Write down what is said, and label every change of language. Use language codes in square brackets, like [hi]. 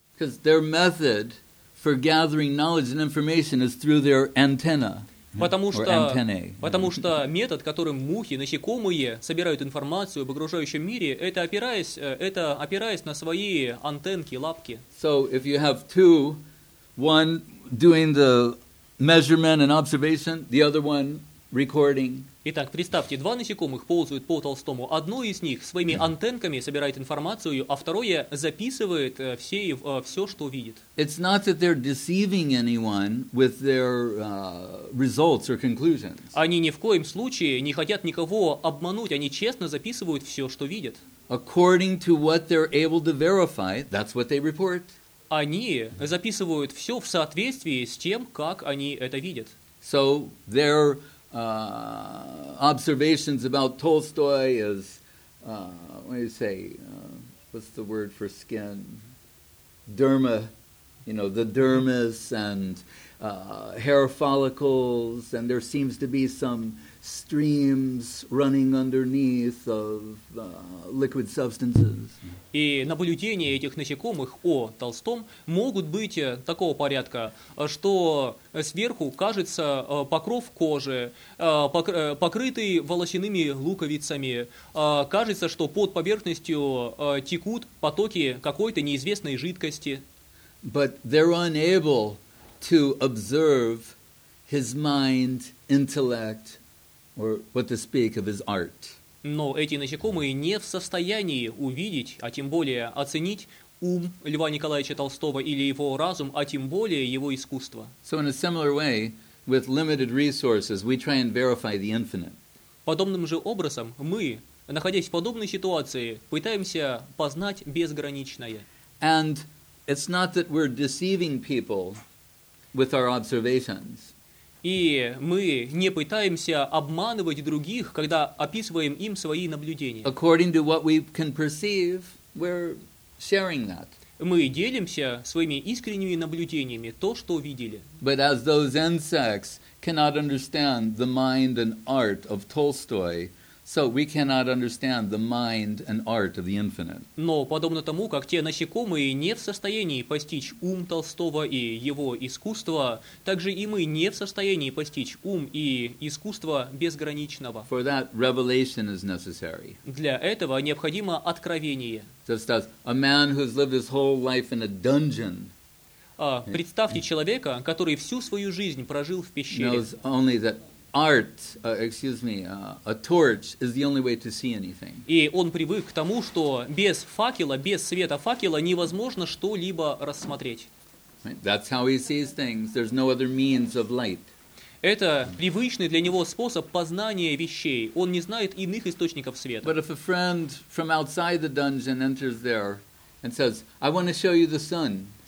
[en] Because their method for gathering knowledge and information is through their antenna. [ru] Потому что метод, которым мухи, насекомые собирают информацию об окружающем мире, это опираясь на свои антенки, лапки. [en] So if you have two, one doing the measurement and observation, the other one recording. [ru] Итак, представьте, два насекомых ползают по толстому. Одно из них своими антенками собирает информацию, а второе записывает все, что видит. [en] It's not that they're deceiving anyone with their results or conclusions. [ru] Они ни в коем случае не хотят никого обмануть. Они честно записывают все, что видят. [en] According to what they're able to verify, that's what they report. [ru] Они записывают все в соответствии с тем, как они это видят. [en] So their observations about Tolstoy is, what's the word for skin? Derma, you know, the dermis and hair follicles, and there seems to be some streams running underneath of liquid substances. [ru] И наблюдения этих насекомых о Толстом могут быть такого порядка, что сверху кажется покров кожи, покрытый волосяными луковицами, кажется, что под поверхностью текут потоки какой-то неизвестной жидкости. [en] But they're unable to observe his mind, intellect, or what to speak of his art. [ru] Но эти насекомые не в состоянии увидеть, а тем более оценить ум Льва Николаевича Толстого или его разум, а тем более его искусство. [en] So in a similar way, with limited resources, we try and verify the infinite. [ru] Подобным же образом мы, находясь в подобной ситуации, пытаемся познать безграничное. [en] And it's not that we're deceiving people with our observations. [ru] И мы не пытаемся обманывать других, когда описываем им свои наблюдения. [en] According to what we can perceive, we're sharing that. [ru] Мы делимся своими искренними наблюдениями, то, что видели. [en] But as those insects cannot understand the mind and art of Tolstoy, so we cannot understand the mind and art of the infinite. [ru] Но подобно тому, как те насекомые не в состоянии постичь ум Толстого и его искусство, так же и мы не в состоянии постичь ум и искусство безграничного. [en] For that, revelation is necessary. [ru] Для этого необходимо откровение. [en] Just as a man who's lived his whole life in a dungeon. [ru] Представьте человека, который всю свою жизнь прожил в пещере. [en] Knows only that a torch is the only way to see anything. [ru] И он привык к тому, что без факела, без света факела невозможно что-либо рассмотреть. [en] Right? That's how he sees things. There's no other means of light. [ru] Это привычный для него способ познания вещей. Он не знает иных источников света. [en] But if a friend from outside the dungeon enters there and says, "I want to show you the sun."